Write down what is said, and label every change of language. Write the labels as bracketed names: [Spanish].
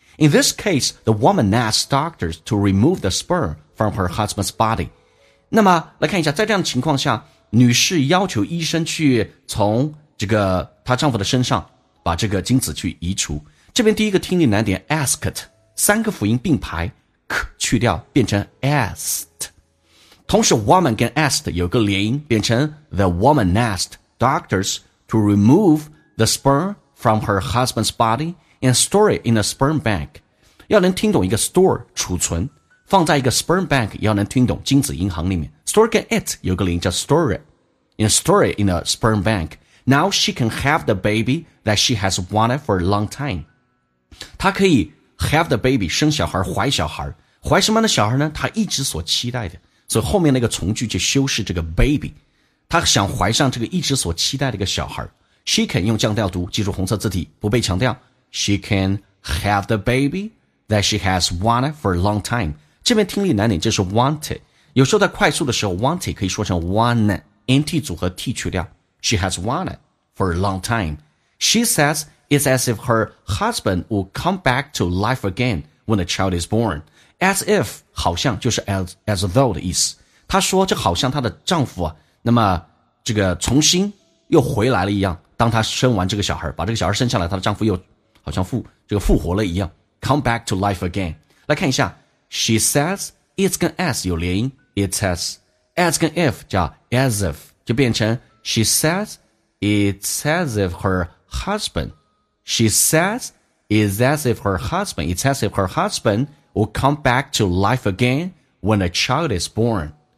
[English] In this case, the woman asked doctors to remove the sperm from her husband's body. [Chinese] 那么来看一下，在这样的情况下，女士要求医生去从这个她丈夫的身上把这个精子去移除。这边第一个听力难点 asked， 三个辅音并排 ，k 去掉变成 asked。同时 woman 跟 asked 有个连音，变成 [English] the woman asked doctors to remove the sperm. From her husband's body and store it in a sperm bank. [Chinese] 要能听懂一个 store, 储存，放在一个 sperm bank, 要能听懂精子银行里面。 [English] Store [Chinese] 跟 [English] it [Chinese] 有个零叫 [English] store it. And store it in a sperm bank. Now she can have the baby that she has wanted for a long time. [Chinese] 她可以 [English] have the baby, [Chinese] 生小孩，怀小孩。怀什么样的小孩呢？她一直所期待的。所以后面那个从句就修饰这个 baby. 她想怀上这个一直所期待的一个小孩。 [English] She can [Chinese] 用降调读，记住红色字体不被强调。 [English] She can have the baby that she has wanted for a long time. [Chinese] 这边听力难点就是 wanted。有时候在快速的时候 ，wanted 可以说成 wanted，nt 组合 t 去掉。 [English] She has wanted for a long time. She says it's as if her husband will come back to life again when the child is born. As if [Chinese] 好像就是 [English] as though [Chinese] 的意思。她说这好像她的丈夫啊，那么这个重新又回来了一样。当她生完这个小孩，把这个小孩生下来，她的丈夫又好像复活了一样。 [English] Come back to life again. [Chinese] 来看一下 [English] ,she says, it's 跟 as [Chinese] 有连音 [English] ,it's as 跟 if 叫 as if, [Chinese] 就变成 [English] she says, it's as if her husband, she says, it's as if her husband, it's as if her husband will come back to life again when a child is born.